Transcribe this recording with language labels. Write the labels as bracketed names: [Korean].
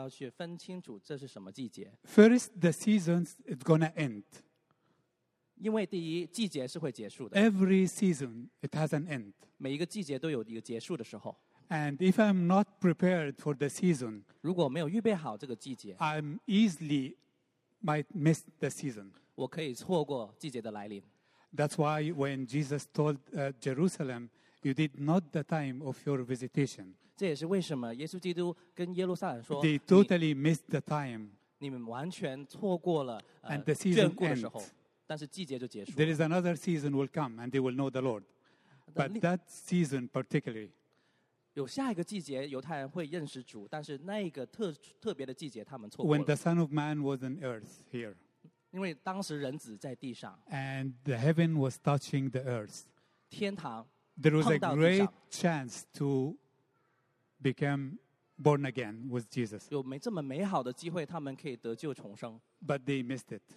[Chinese] 我在想，为何如此的重要要去分清楚这是什么季节？ [English] First, the season is going to end. [Chinese] 因为第一，季节是会结束的。 [English] Every season, it has an end. [Chinese] 每一个季节都有一个结束的时候。 [English] And if I'm not prepared for the season, [Chinese] 如果没有预备好这个季节, [English] I'm easily might miss the season. [Chinese] 我可以错过季节的来临。 [English] That's why when Jesus told Jerusalem, you did not the time of your visitation. [Chinese] 这也是为什么耶稣基督跟耶路撒冷说 [English] They totally missed the time. [Chinese] 你们完全错过了, [English] and the season ends. [Chinese] 但是季节就结束了。 [English] There is another season will come and they will know the Lord. But that season particularly. [Chinese] 有下一个季节犹太人会认识主, 但是那个特别的季节他们错过了。 [English] When the Son of Man was on earth here. [Chinese] 因为当时人子在地上。 [English] And the heaven was touching the earth. [Chinese] 天堂, [English] there was a great chance to become born again with Jesus. But they missed it.